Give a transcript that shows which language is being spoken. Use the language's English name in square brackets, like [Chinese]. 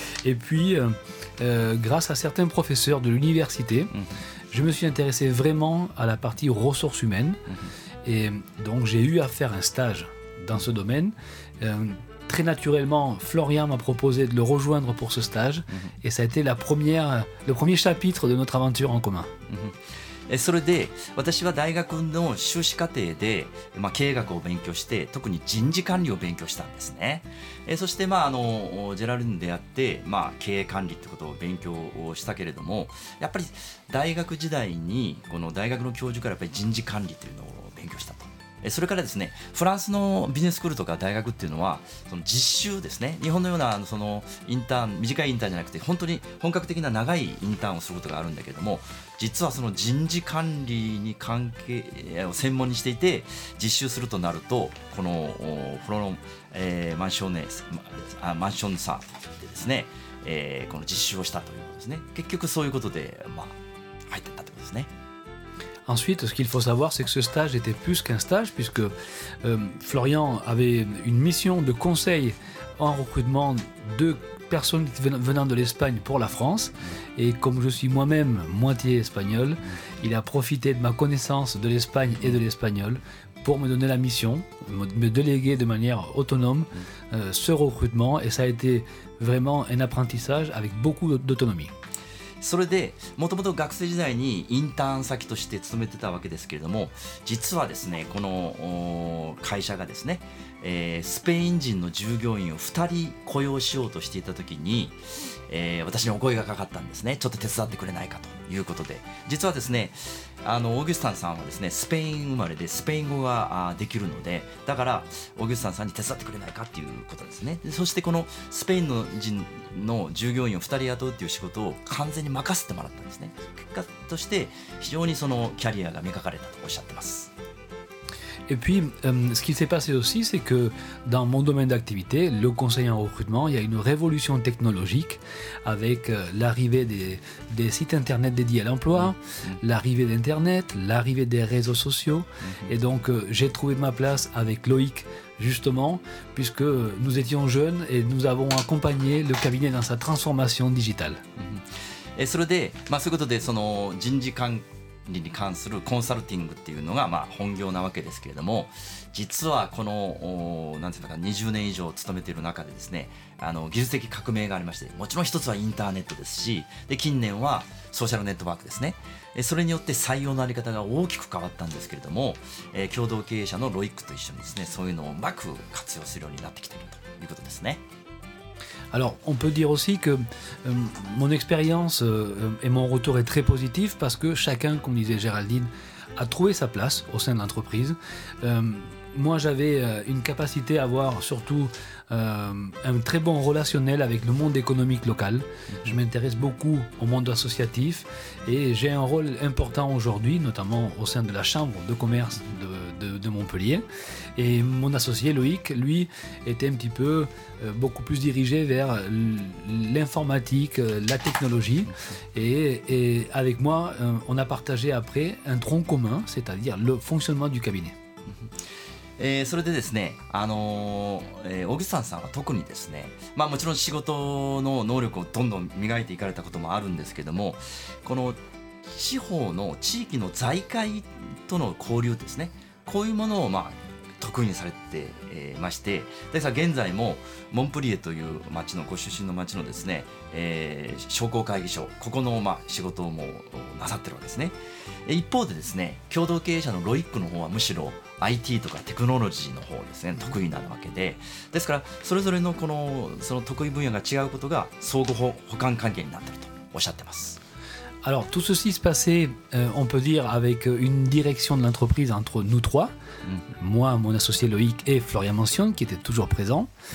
[French] Et puis, grâce à certains professeurs de l'université, je me suis intéressé vraiment à la partie ressources humaines. Et donc, j'ai eu à faire un stage dans ce domaine. Très naturellement, Florian m'a proposé de le rejoindre pour ce stage. Et ça a été le premier chapitre de notre aventure en commun. [Japanese] それで私は大学の修士課程で、まあ、経営学を勉強して、特に人事管理を勉強したんですね。そして、まあ、ジェラルに出会って、まあ、経営管理ってことを勉強をしたけれども、やっぱり大学時代にこの大学の教授からやっぱり人事管理というのを勉強したと。それからですね、フランスのビジネススクールとか大学っていうのはその実習ですね、日本のようなそのインターン、短いインターンじゃなくて本当に本格的な長いインターンをすることがあるんだけども、実はその人事管理に関係を専門にしていて、実習するとなるとこのフロロン、マンションネス、マンションサーでですね、この実習をしたということですね。結局そういうことで、まあ、入ってったってことですね。 [French] Ensuite, ce qu'il faut savoir, c'est que ce stage était plus qu'un stage, puisque Florian avait une mission de conseil en recrutement de personnes venant de l'Espagne pour la France. Et comme je suis moi-même moitié espagnol, il a profité de ma connaissance de l'Espagne et de l'espagnol pour me donner la mission, me déléguer de manière autonome ce recrutement. Et ça a été vraiment un apprentissage avec beaucoup d'autonomie. [Japanese] それでもともと学生時代にインターン先として勤めてたわけですけれども、実はですねこの会社がですね、スペイン人の従業員を2人雇用しようとしていた時に、私にお声がかかったんですね。ちょっと手伝ってくれないかということで、実はですねオーギュスタンさんはですねスペイン生まれでスペイン語ができるので、だからオーギュスタンさんに手伝ってくれないかっていうことですね。そしてこのスペインの人の従業員を2人雇うっていう仕事を完全に任せてもらったんですね。結果として非常にそのキャリアが磨かれたとおっしゃってます。 [French] Et puis, ce qui s'est passé aussi, c'est que dans mon domaine d'activité, le conseil en recrutement, il y a une révolution technologique avec l'arrivée des sites internet dédiés à l'emploi, l'arrivée d'internet, l'arrivée des réseaux sociaux. Et donc, j'ai trouvé ma place avec Loïc, justement, puisque nous étions jeunes et nous avons accompagné le cabinet dans sa transformation digitale. Et sur le côté, [Japanese] その人事関係に関するコンサルティングっていうのがまあ本業なわけですけれども、実はこのなんていうのか20年以上勤めている中でですね、技術的革命がありまして、もちろん一つはインターネットですし、で近年はソーシャルネットワークですね。それによって採用のあり方が大きく変わったんですけれども、共同経営者のロイックと一緒にですね、そういうのをうまく活用するようになってきているということですね。 [French] Alors, on peut dire aussi que mon expérience et mon retour est très positif parce que chacun, comme disait Géraldine, a trouvé sa place au sein de l'entreprise. Moi, j'avais une capacité à avoir surtout un très bon relationnel avec le monde économique local. Je m'intéresse beaucoup au monde associatif et j'ai un rôle important aujourd'hui, notamment au sein de la chambre de commerce de Montpellier. Et mon associé Loïc, lui, était un petit peu beaucoup plus dirigé vers l'informatique, la technologie. Et avec moi, on a partagé après un tronc commun, c'est-à-dire le fonctionnement du cabinet. [Japanese] それでですね、オギスタンさんは特にですね、まあ、もちろん仕事の能力をどんどん磨いていかれたこともあるんですけども、この地方の地域の財界との交流ですね、こういうものをまあ得意にされてまして、でさ現在もモンプリエという町のご出身の町のですね、商工会議所、ここのまあ仕事をもうなさってるわけですね。一方でですね、共同経営者のロイックの方はむしろ IT とかテクノロジーの方ですね、得意なわけで、ですからそれぞれのこのその得意分野が違うことが相互補完関係になってるとおっしゃってます。 [French] Alors tout ceci se passait, on peut dire, avec une direction de l'entreprise entre nous trois, moi, mon associé Loïc et Florian Mancione, qui était toujours présent.